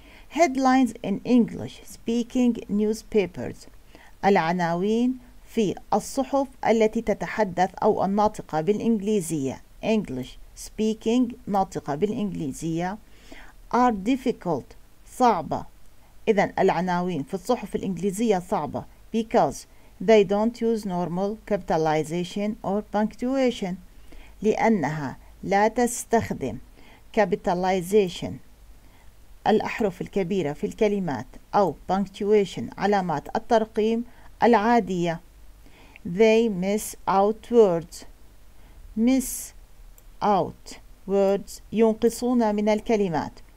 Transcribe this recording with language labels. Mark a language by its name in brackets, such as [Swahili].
[English] Headlines in English speaking newspapers [Arabic] العناوين في الصحف التي تتحدث أو الناطقة بالإنجليزية. [English] English speaking [Arabic] ناطقة بالإنجليزية. [English] Are difficult صعبة. [Arabic] إذن العناوين في الصحف الإنجليزية صعبة. [English] Because they don't use normal capitalization or punctuation. [Arabic] لأنها لا تستخدم capitalization الأحرف الكبيرة في الكلمات أو punctuation علامات الترقيم العادية. [English] They miss out words. Miss out words [Arabic] ينقصون من الكلمات.